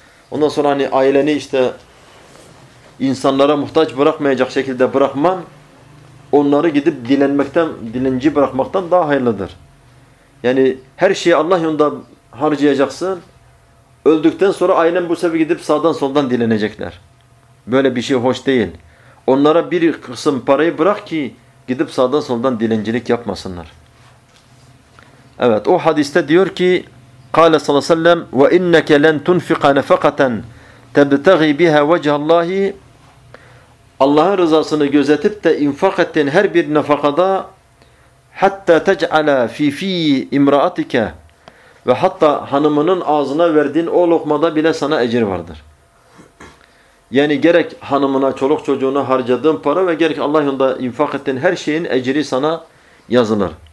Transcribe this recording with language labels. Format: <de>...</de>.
<tr>Ondan sonra hani aileni işte İnsanlara muhtaç bırakmayacak şekilde bırakman, onları gidip dilenmekten, dilenci bırakmaktan daha hayırlıdır. Yani her şeyi Allah yolunda harcayacaksın. Öldükten sonra ailen bu sefer gidip sağdan soldan dilenecekler. Böyle bir şey hoş değil. Onlara bir kısım parayı bırak ki gidip sağdan soldan dilencilik yapmasınlar. Evet, o hadiste diyor ki</tr> <ar>قال صلى الله عليه وسلم وَاِنَّكَ لَنْ تُنْفِقَ نَفَقَةً تَبْتَغِي بِهَا وَجَهَ اللّٰهِ.</ar> <tr>Allah'ın rızasını gözetip de infak ettiğin her bir nafakada hatta</tr> <ar>tec'ala fi fi imraatike</ar> <tr>ve hatta hanımının ağzına verdiğin o lokmada bile sana ecir vardır. Yani gerek hanımına, çoluk çocuğuna harcadığın para ve gerek Allah'ın da infak ettiğin her şeyin ecri sana yazılır.</tr>